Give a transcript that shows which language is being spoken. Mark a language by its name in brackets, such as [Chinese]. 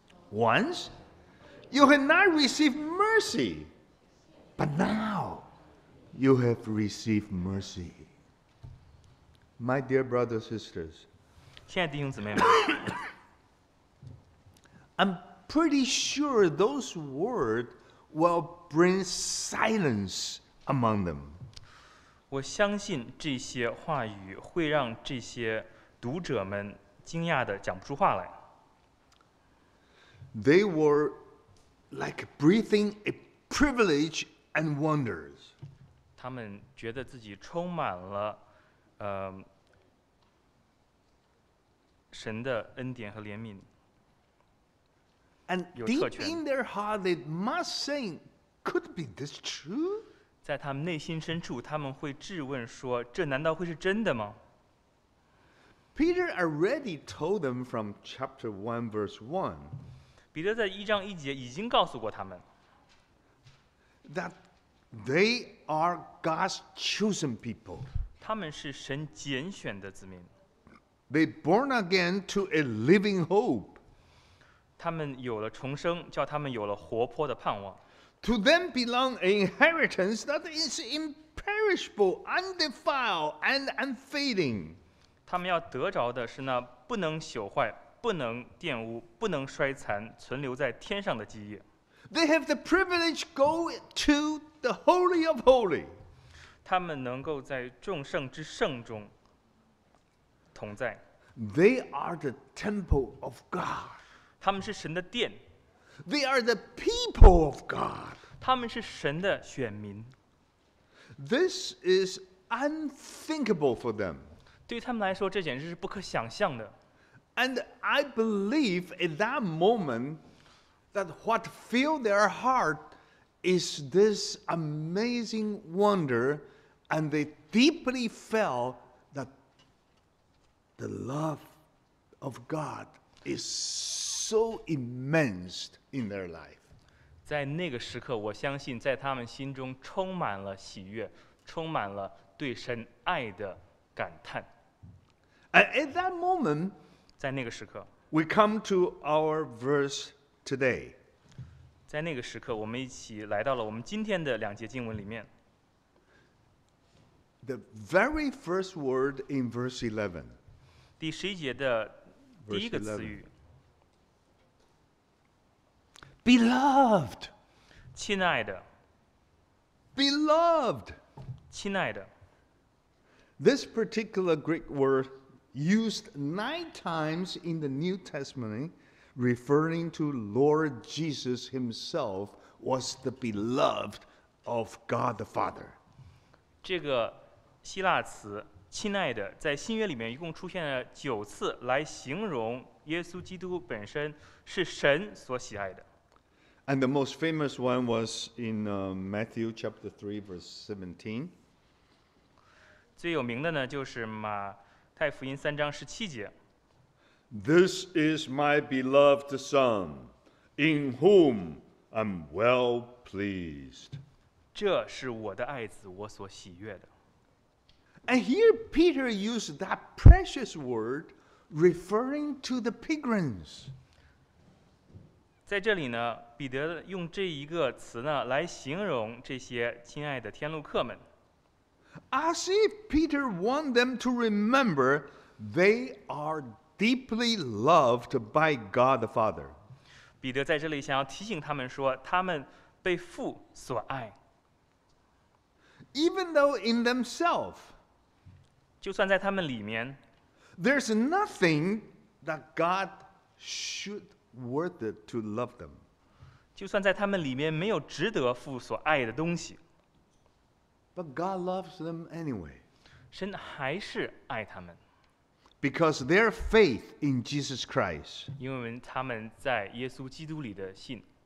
[English] Once, you had not received mercy, but now you have received mercy. My dear brothers and sisters, [Chinese] 亲爱的弟兄姊妹们 [English] I'm pretty sure those words will bring silence among them. [Chinese] 我相信这些话语会让这些读者们惊讶地讲不出话来。 [English] They were like breathing a privilege and wonders. [Chinese] 他们觉得自己充满了，神的恩典和怜悯。 [English] And deep in their heart, they must say, "Could be this true?" [Chinese] 在他们内心深处，他们会质问说：“这难道会是真的吗？” [English] Peter already told them from chapter 1, verse 1. [Chinese] 彼得在一章一节已经告诉过他们 [English] that they are God's chosen people. [Chinese] 他们是神拣选的子民。 [English] They born again to a living hope. [Chinese] 他们有了重生，叫他们有了活泼的盼望。 [English] To them belong an inheritance that is imperishable, undefiled, and unfading. [Chinese] 他们要得着的是那不能朽坏、不能玷污、不能衰残、存留在天上的基业。 [English] They have the privilege go to the Holy of Holy. [Chinese] 他们能够在众圣之圣中同在。 [English] They are the temple of God. [Chinese] 他们是神的殿。 [English] They are the people of God. [Chinese] 他们是神的选民。 [English] This is unthinkable for them. [Chinese] 对他们来说，这简直是不可想象的。 [English] And I believe at that moment that what filled their heart is this amazing wonder, and they deeply felt that the love of God is so immense. In their life. [Chinese] 在那个时刻，我相信在他们心中充满了喜悦，充满了对神爱的感叹。 [English] And at that moment, [Chinese] 在那个时刻 [English] we come to our verse today. [Chinese] 在那个时刻，我们一起来到了我们今天的两节经文里面。 [English] The very first word in verse 11. [Chinese] 第十一节的第一个词语。 [English] Beloved, [Chinese] 亲爱的 [English] Beloved, [Chinese] 亲爱的 [English] This particular Greek word used 9 times in the New Testament, referring to Lord Jesus himself, was the beloved of God the Father. [Chinese] 这个希腊词亲爱的在新约里面一共出现了9次来形容耶稣基督本身是神所喜爱的。 [English] And the most famous one was in Matthew chapter 3, verse 17. [Chinese] 最有名的呢，就是马太福音3:17. [English] This is my beloved Son, in whom I'm well pleased. [Chinese] 这是我的爱子，我所喜悦的。 [English] And here Peter used that precious word referring to the pilgrims. [Chinese] 在这里呢，彼得用这一个词呢来形容这些亲爱的天路客们。 [English] As if Peter wants them to remember they are deeply loved by God the Father. [Chinese] 彼得在这里想要提醒他们说，他们被父所爱。 [English] Even though in themselves, [Chinese] 就算在他们里面 [English] there's nothing that God should worth it to love them. [Chinese] 就算在他们里面没有值得父所爱的东西 [English] but God loves them anyway. [Chinese] 神还是爱他们 [English] because their faith in Jesus Christ. [Chinese] 因为他们在耶稣基督里的信